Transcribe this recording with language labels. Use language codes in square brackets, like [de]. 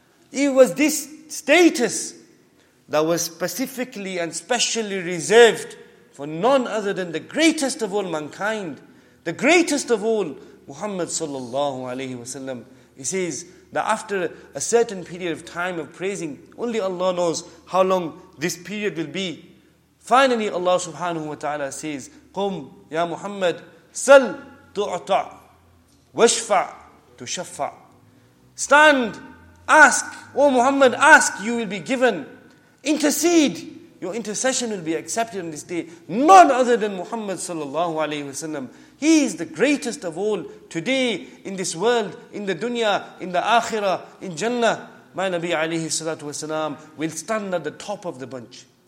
[en] It was this status that was specifically and specially reserved for none other than the greatest of all mankind, the greatest of all, Muhammad sallallahu alayhi wa sallam. He says that after a certain period of time of praising, only Allah knows how long this period will be. Finally, Allah subhanahu wa ta'ala says, [ar] قُمْ يَا مُحَمَّدْ سَلْ تُعْطَعْ وَشْفَعْ تُشَفَّعْ. [en] Stand, ask, O Muhammad, ask, you will be given. Intercede, your intercession will be accepted on this day. None other than Muhammad sallallahu alayhi wa sallam. He is the greatest of all today in this world, in the dunya, in the akhirah, in Jannah. My Nabi alayhi salatu wasalam will stand at the top of the bunch.